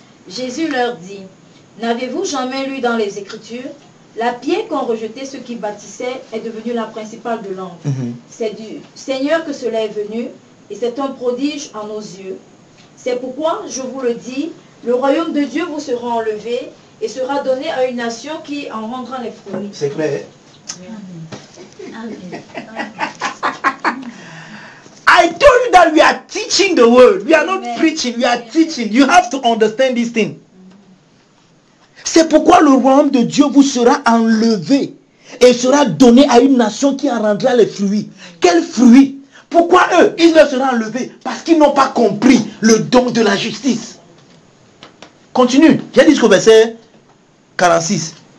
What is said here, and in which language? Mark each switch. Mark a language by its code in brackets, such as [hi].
[fr] Jésus leur dit, n'avez-vous jamais lu dans les Écritures, la pierre qu'ont rejeté ceux qui bâtissaient est devenue la principale de l'angle. Mm-hmm. C'est du Seigneur que cela est venu et c'est un prodige en nos yeux. C'est pourquoi, je vous le dis, le royaume de Dieu vous sera enlevé et sera donné à une nation qui en rendra les fruits. C'est clair. Amen. [en] I told you that we are teaching the word. We are not preaching, we are teaching. You have to understand this thing. [fr] C'est pourquoi le royaume de Dieu vous sera enlevé et sera donné à une nation qui en rendra les fruits. Quels fruits? Pourquoi eux? Ils leur seront enlevés parce qu'ils n'ont pas compris le don de la justice. Continue. J'ai dit jusqu'au verset 46.